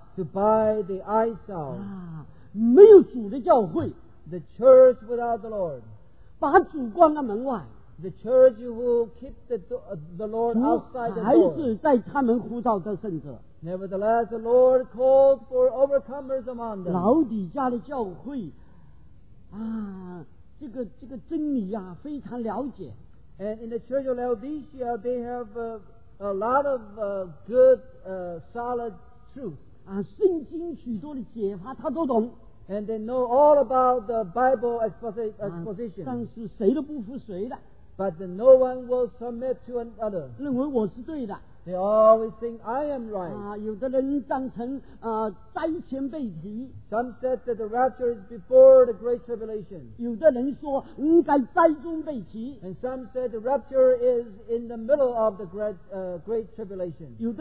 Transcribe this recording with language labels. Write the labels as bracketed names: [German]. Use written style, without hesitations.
[English] to buy the eye salve. [Chinese] 没有主的教会, [English] the church without the Lord. [Chinese] 把主关在门外, [English] the church who keep the Lord outside the door. Nevertheless, the Lord called for overcomers among them. [Chinese] 老底家的教会, 啊, 这个真理啊, 非常了解, [English] and in the church of Laodicea, they have a lot of good, solid truth. [Chinese] 啊, 圣经许多的解法, 他都懂, [English] and they know all about the Bible exposition. [Chinese] 啊, 但是谁都不服谁的, [English] but no one will submit to another. [Chinese] 认为我是对的, [English] they always think I am right. [Chinese] 啊, 有的人长成, 灾前被提, [English] some said that the rapture is before the great tribulation. [Chinese] 有的人说应该灾中被提, [English] and some said the rapture is in the middle of the great tribulation.